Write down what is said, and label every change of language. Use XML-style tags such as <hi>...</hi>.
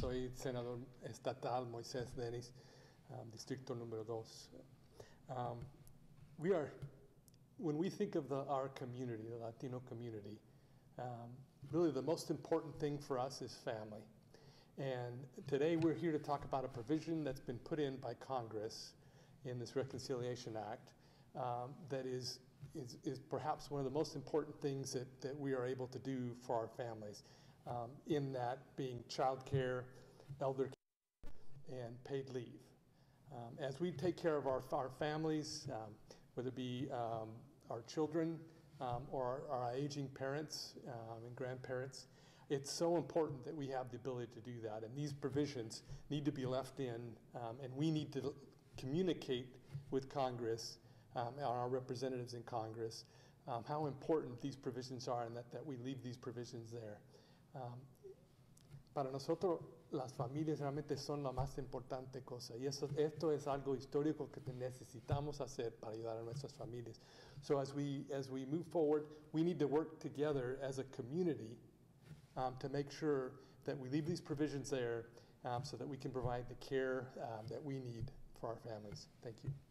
<es>Soy Senador Estatal Moises Dennis, Distrito Número Dos.</es> <en>We are, when we think of our community, the Latino community, really the most important thing for us is family. And today we're here to talk about a provision that's been put in by Congress in this Reconciliation Act that is perhaps one of the most important things that we are able to do for our families, in that being child care, elder care, and paid leave. As we take care of our families, whether it be our children or our aging parents and grandparents, it's so important that we have the ability to do that. And these provisions need to be left in, and we need to communicate with Congress and our representatives in Congress, how important these provisions are, and that we leave these provisions there.</en> <es>Para nosotros, las familias realmente son la más importante cosa, y eso, esto es algo histórico que necesitamos hacer para ayudar a nuestras familias.</es> <en>So as we move forward, we need to work together as a community to make sure that we leave these provisions there so that we can provide the care that we need for our families. Thank you.</en>